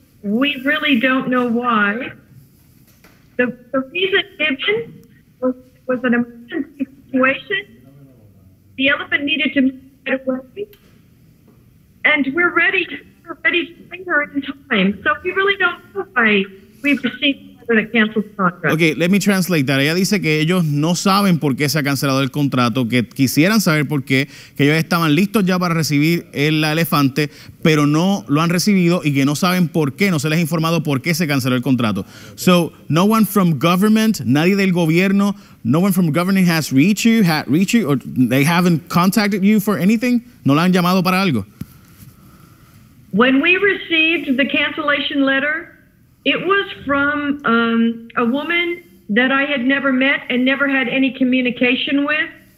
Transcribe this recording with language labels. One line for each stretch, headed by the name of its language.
English: We really don't know why. The reason given was an emergency situation. The elephant needed to move right away. And we're ready to bring her in time. So we really don't know why we've received Okay, let me translate that.
Spanish: Ella dice que ellos no saben por qué se ha cancelado el contrato, que quisieran saber por qué, que ellos estaban listos ya para recibir el elefante, pero no lo han recibido y que no saben por qué, no se les ha informado por qué se canceló el contrato.
English: So, no one from government,
Spanish: nadie del gobierno,
English: no one from government has reached you, or they haven't contacted you for anything?
Spanish: ¿No la han llamado para algo?
English: When we received the cancellation letter, it was from a woman that I had never met and never had any communication with.